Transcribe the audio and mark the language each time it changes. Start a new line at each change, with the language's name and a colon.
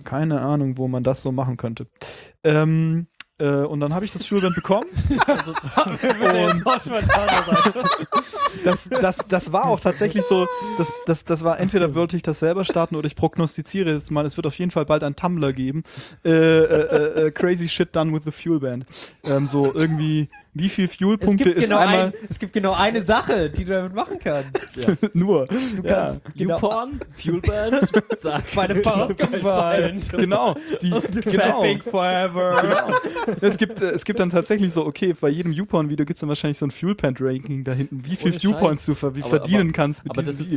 German: Keine Ahnung, wo man das so machen könnte. Und dann habe ich das Fuelband bekommen. Das war auch tatsächlich so, das war, entweder wollte ich das selber starten oder ich prognostiziere jetzt mal, es wird auf jeden Fall bald ein Tumblr geben.
English: Crazy shit done with the Fuelband.
German: So irgendwie, wie viel Fuelpunkte ist genau einmal... Es gibt genau eine Sache, die du damit machen kannst. Ja. Nur. Du kannst Youporn, Fuelband, sag, meine Powers combined. Genau.
English: Clapping forever.
German: Genau. Es gibt dann tatsächlich so, okay, bei jedem Youporn-Video gibt es dann wahrscheinlich so ein Fuelband-Ranking da hinten, wie viel Youporns du verdienen kannst mit diesem Video.